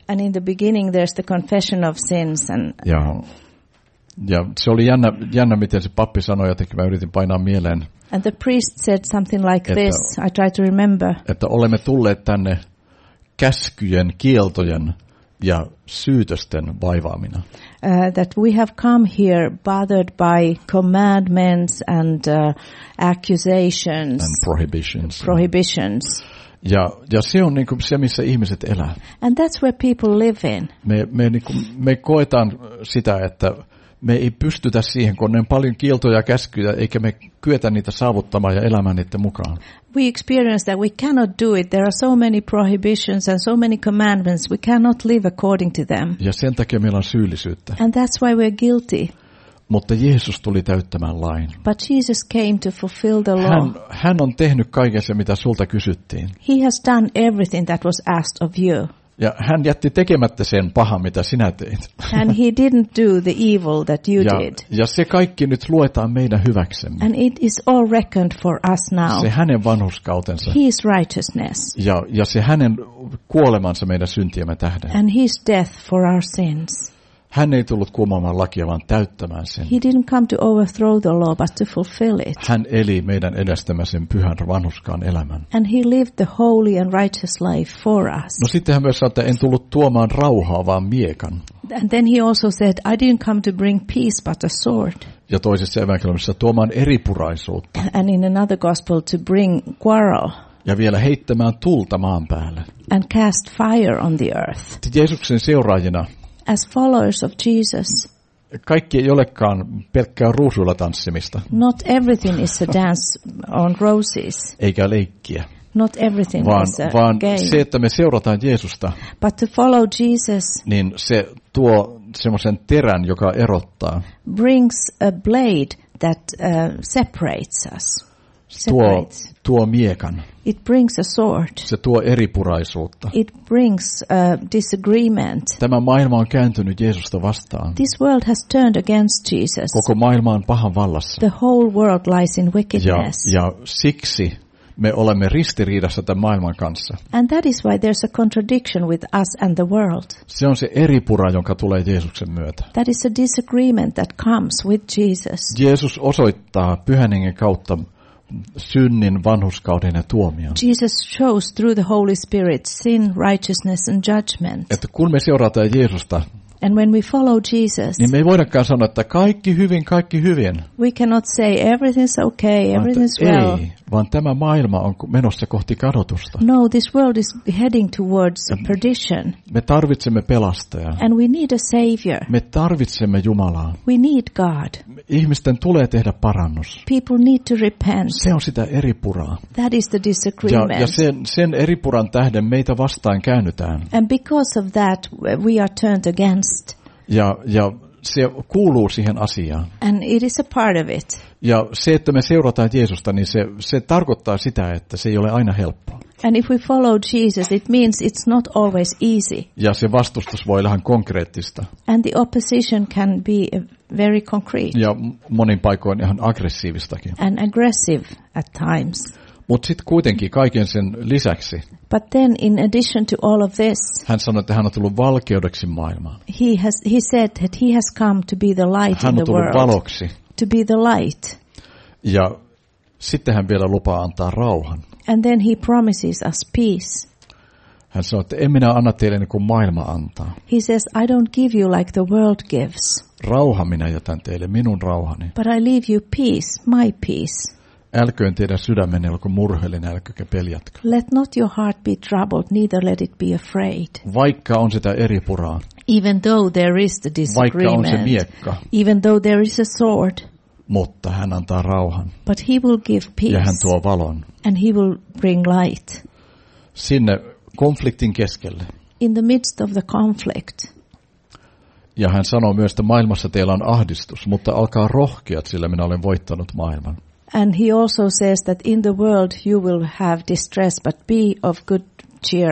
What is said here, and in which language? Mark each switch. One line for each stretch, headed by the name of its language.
English: And in the beginning there's the confession of sins and.
Finnish: Ja se oli jännä miten se pappi sanoi, jotenkin mä yritin painaa mieleen.
English: And the priest said something like this. I try to remember.
Finnish: Että olemme tulleet tänne käskyjen, kieltojen ja syytösten vaivaamina.
English: That we have come here bothered by commandments and accusations. And prohibitions. Prohibitions.
Finnish: Ja se on niin kuin se, missä ihmiset elää.
English: And that's where people live in.
Finnish: Me niin kuin, me koetaan sitä, että me ei pystytä siihen, kun on paljon kieltoja ja käskyjä, eikä me kyetä niitä saavuttamaan ja elämään niiden mukaan.
English: We experience that we cannot do it. There are so many prohibitions and so many commandments. We cannot live according to them.
Finnish: Ja sen takia meillä on syyllisyyttä.
English: And that's why we're guilty.
Finnish: Mutta Jeesus tuli täyttämään lain.
English: But Jesus came to fulfill the law.
Finnish: Hän on tehnyt kaiken se, mitä sulta kysyttiin.
English: He has done everything that was asked of you.
Finnish: Ja hän jätti tekemättä sen pahan, mitä sinä teit.
English: And he didn't do the evil that you did.
Finnish: Ja se kaikki nyt luetaan meidän hyväksemme.
English: And it is all reckoned for us now.
Finnish: Se hänen vanhurskautensa.
English: His righteousness.
Finnish: Ja se hänen kuolemansa meidän syntiemme tähden.
English: And his death for our sins.
Finnish: Hän ei tullut kumoamaan lakia, vaan täyttämään sen.
English: He didn't come to overthrow the law, but to fulfill it.
Finnish: Hän eli meidän edestämme sen pyhän vanhurskaan elämän.
English: And he lived the holy and righteous life for us.
Finnish: No sitten hän myös sanoi, että en tullut tuomaan rauhaa, vaan miekan.
English: And then he also said, I didn't come to bring peace, but a sword.
Finnish: Ja toisessa evankeliumissa tuomaan eripuraisuutta.
English: And in another gospel to bring quarrel.
Finnish: Ja vielä heittämään tulta maan päälle.
English: And cast fire on the earth.
Finnish: Jeesuksen seuraajina.
English: As followers of Jesus.
Finnish: Kaikki ei olekaan pelkkää ruusuilla tanssimista.
English: Not everything is a dance on roses.
Finnish: Eikä leikkiä.
English: Not everything
Finnish: vaan,
English: is a
Finnish: vaan
English: game.
Finnish: Vaan se, että me seurataan Jeesusta.
English: But to follow Jesus.
Finnish: Niin se tuo semmoisen terän, joka erottaa.
English: Brings a blade that separates us.
Finnish: Tuo miekan.
English: It brings a sword.
Finnish: Se tuo eripuraisuutta.
English: It brings a disagreement.
Finnish: Tämä maailma on kääntynyt Jeesusta vastaan.
English: This world has turned against Jesus.
Finnish: Koko maailma on pahan vallassa.
English: The whole world lies in wickedness.
Finnish: Ja siksi me olemme ristiriidassa tämän maailman kanssa.
English: And that is why there's a contradiction with us and the world.
Finnish: Se on se eripura, jonka tulee Jeesuksen myötä.
English: That is a disagreement that comes with Jesus.
Finnish: Jeesus osoittaa Pyhän Hengen kautta synnin, vanhurskauden ja tuomion.
English: Jesus shows through the Holy Spirit sin, righteousness and judgment.
Finnish: Että kun me seurataan Jeesusta,
English: and when we follow Jesus,
Finnish: niin me ei voidakaan sanoa, että kaikki hyvin.
English: We cannot say everything's okay, everything's
Finnish: vaan,
English: well.
Finnish: Ei, vaan tämä maailma on menossa kohti kadotusta.
English: No, this world is heading towards perdition.
Finnish: Me tarvitsemme pelastajaa.
English: And we need a savior.
Finnish: Me tarvitsemme Jumalaa.
English: We need God.
Finnish: Ihmisten tulee tehdä parannus.
English: People need to repent.
Finnish: Se on sitä eripuraa.
English: That is the disagreement.
Finnish: Ja sen eripuran tähden meitä vastaan käännytään.
English: And because of that we are turned again.
Finnish: Ja se kuuluu siihen asiaan.
English: And it is a part of it.
Finnish: Ja se, että me seurataan Jeesusta, niin se tarkoittaa sitä, että se ei ole aina helppoa.
English: And if we follow Jesus, it means it's not always easy.
Finnish: Ja se vastustus voi olla ihan konkreettista.
English: And the opposition can be very concrete.
Finnish: Ja monin paikoin ihan aggressiivistakin.
English: And aggressive at times.
Finnish: Mut sit kuitenkin kaiken sen lisäksi.
English: But then in addition to all of this.
Finnish: Hän sanoi, että hän on tullut valkeudeksi maailmaan.
English: He said that he has come to be the light in the world.
Finnish: Hän on tullut valoksi.
English: To be the light.
Finnish: Ja sitten hän vielä lupaa antaa rauhan.
English: And then he promises us peace.
Finnish: Hän sanoi, että en minä anna teille niin kuin maailma antaa.
English: He says I don't give you like the world gives.
Finnish: Rauha minä jätän teille, minun rauhani.
English: But I leave you peace, my peace.
Finnish: Älköön teidän sydämenne olko murheellinen, älkökä peljätkö.
English: Let not your heart be troubled, neither let it be afraid.
Finnish: Vaikka on sitä eripuraa.
English: Even though there is the disagreement.
Finnish: Vaikka on se miekka.
English: Even though there is a sword.
Finnish: Mutta hän antaa rauhan.
English: But he will give peace.
Finnish: Ja hän tuo valon.
English: And he will bring light.
Finnish: Sinne konfliktin keskelle.
English: In the midst of the conflict.
Finnish: Ja hän sanoo myös, että maailmassa teillä on ahdistus, mutta alkaa rohkeat, sillä minä olen voittanut maailman.
English: And he also says that in the world you will have distress, but be of good cheer.